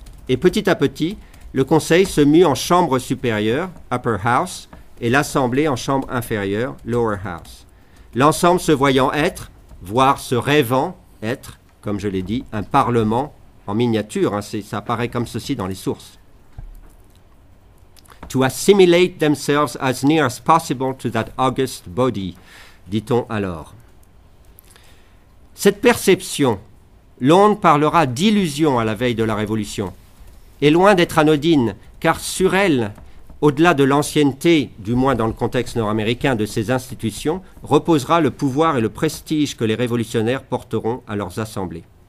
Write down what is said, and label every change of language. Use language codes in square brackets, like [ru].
[fr] Et petit à petit, le Conseil se mue en chambre supérieure, « [en] upper house [fr] », et l'Assemblée en chambre inférieure, « [en] lower house ». [fr] L'ensemble se voyant être, voire se rêvant être, comme je l'ai dit, un parlement en miniature. Hein, ça apparaît comme ceci dans les sources. [en] « To assimilate themselves as near as possible to that august body », [fr] dit-on alors. Cette perception, Londres parlera d'illusion à la veille de la Révolution, est loin d'être anodine, car sur elle, au-delà de l'ancienneté, du moins dans le contexte nord-américain, de ces institutions, reposera le pouvoir et le prestige que les révolutionnaires porteront à leurs assemblées.